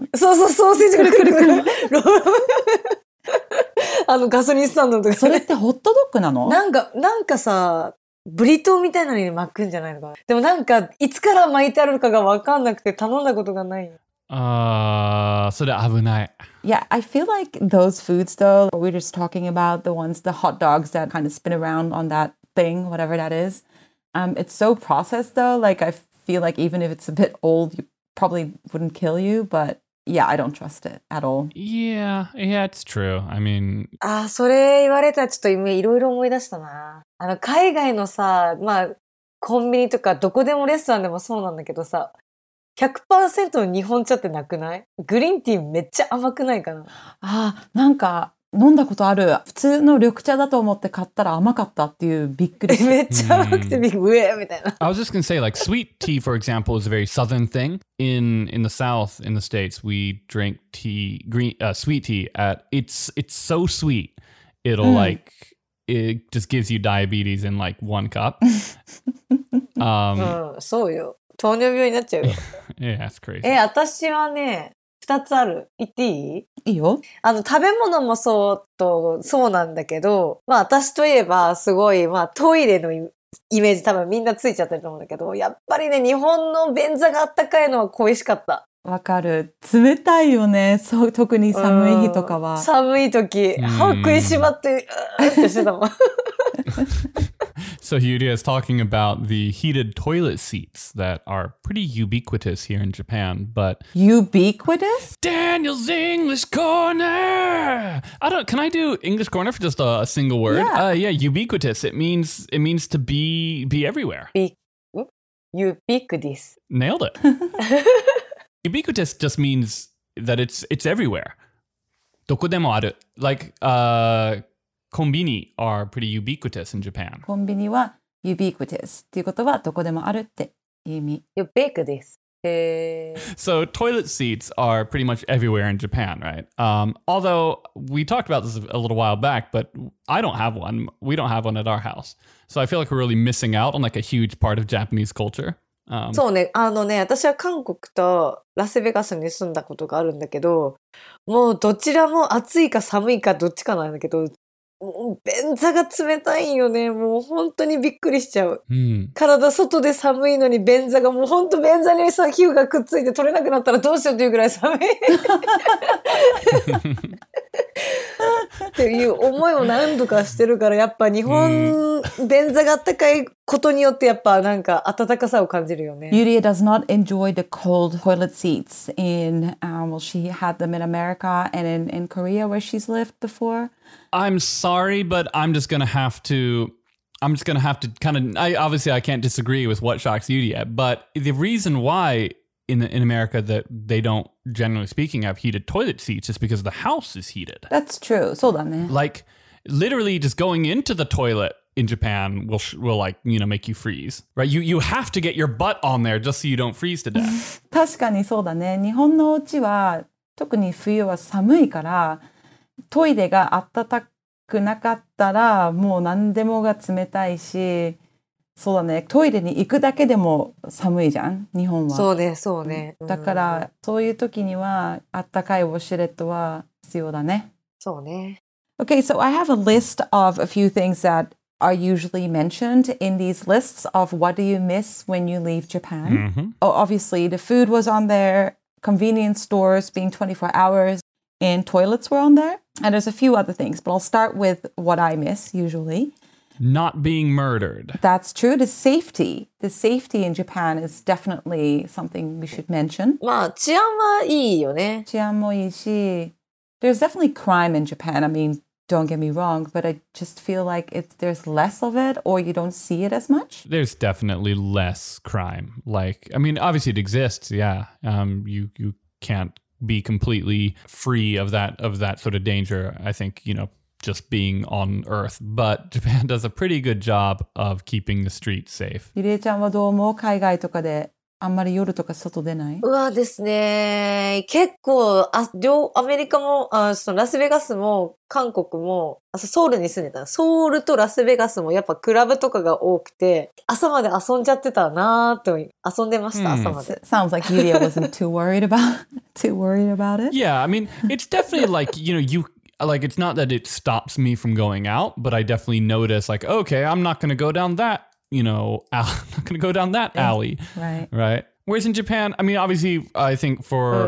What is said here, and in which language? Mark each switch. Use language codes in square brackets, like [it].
[ja] そうソーセージくるくるくる。あのガソリンスタンドとか、ね。それってホットドッグなの？なんかさ、ブリトーみたいなのに巻くんじゃないのか。でもなんかいつから巻いてあるかが分かんなくて頼んだことがない。それ危ない。 [en] Yeah, I feel like those foods though, what we're just talking about, the ones, the hot dogs that kind of spin around on that. Thing, whatever that is. It's so processed though. Like, I feel like even if it's a bit old, you probably wouldn't kill you, but yeah, I don't trust it at all. Yeah, it's true. I mean, [ja] ah, それ言われたらちょっと今いろいろ思い出したな。あの海外のさ、まあコンビニとかどこでもレストランでもそうなんだけどさ、100% の日本茶ってなくない？グリーンティーめっちゃ甘くないかな？あ、なんか飲んだことある。普通の緑茶だと思って買ったら甘かったっていう、びっくり。めっちゃ甘くてびっくりみたいな。 [en] I was just gonna say, like, sweet tea, for example, is a very southern thing. In the South, in the States, we drink tea, sweet tea. It's so sweet, it'll like, it just gives you diabetes in like one cup. [ja] そうよ。糖尿病になっちゃうよ。 [en] Yeah, that's crazy. [ja] 私はね、2つある。言っていい？いいよ。あの食べ物もそうなんだけど、まあ私といえばすごい、まあトイレのイメージ多分みんなついちゃってると思うんだけど、やっぱりね、日本の便座があったかいのは恋しかった。わかる。冷たいよね。そう、特に寒い日とかは。寒い時、歯食いしばって、ってしてたもん。 [en] So Yuria is talking about the heated toilet seats that are pretty ubiquitous here in Japan, but... Ubiquitous? Daniel's English Corner! Can I do English Corner for just a single word? Yeah, ubiquitous. It means to be everywhere. Ubiquitous. Nailed it. Ubiquitous just means that it's everywhere. [ja] どこでもある。 [en] Like, コンビニ are pretty ubiquitous in Japan. コンビニは ubiquitous っていうことはどこでもあるって意味。 Ubiquitous. So toilet seats are pretty much everywhere in Japan, right? Although we talked about this a little while back, but I don't have one. We don't have one at our house. So I feel like we're really missing out on like a huge part of Japanese culture. [ja] そうね。あのね、私は韓国とラスベガスに住んだことがあるんだけど、もうどちらも暑いか寒いかどっちかなんだけど、もう便座が冷たいよね。もう本当にびっくりしちゃう。うん、体外で寒いのに便座がもう本当便座にさ皮膚がくっついて取れなくなったらどうしようっていうぐらい寒い。っていう思いを何度かしてるから、やっぱ日本便座が暖かいことによってやっぱなんか暖かさを感じるよね。 [en] Yulia does not enjoy the cold toilet seats in, well, she had them in America and in Korea where she's lived before. I'm sorry, but I'm just gonna have to kind of, obviously I can't disagree with what shocks Yulia, but the reason why in America that they don't, generally speaking, have heated toilet seats is because the house is heated. That's true. [ja] そうだね。 [en] Like, literally just going into the toilet in Japan will like, you know, make you freeze. Right? You have to get your butt on there just so you don't freeze to death. [ja] 確かにそうだね。日本のお家は特に冬は寒いから、トイレが暖くなかったらもう何でもが冷たいし、そうだね、トイレに行くだけでも寒いじゃん、日本は。そうね、そうね。だから、うん、そういう時にはあったかいウォシュレットは必要だね。そうね。 [en] Okay, so I have a list of a few things that are usually mentioned in these lists of what do you miss when you leave Japan.、 Mm-hmm. Oh, obviously, the food was on there, convenience stores being 24 hours, and toilets were on there. And there's a few other things, but I'll start with what I miss usually. Not being murdered. That's true. The safety. The safety in Japan is definitely something we should mention. [ja] まあ、治安はいいよね。治安もいいし。 [en] There's definitely crime in Japan. I mean, don't get me wrong, but I just feel like there's less of it or you don't see it as much. There's definitely less crime. Like, I mean, obviously it exists, yeah. You can't be completely free of that sort of danger, I think, you know. Just being on earth, but Japan does a pretty good job of keeping the streets safe. [ja] ゆりえちゃんはどう思う？海外とかであんまり夜とか外出ない？うわですね。結構アメリカもそのラスベガスも韓国もソウルに住んでた。ソウルとラスベガスもやっぱクラブとかが多くて朝まで遊んじゃってたなと遊んでました、朝まで。 [en] Sounds like Yulia wasn't too worried about it. Yeah, I mean, it's definitely like, you know, you. Like, it's not that it stops me from going out, but I definitely notice, like, okay, I'm not going to go down that, you know, I'm not going to go down that alley. Right. Right. Whereas in Japan, I mean, obviously, I think for...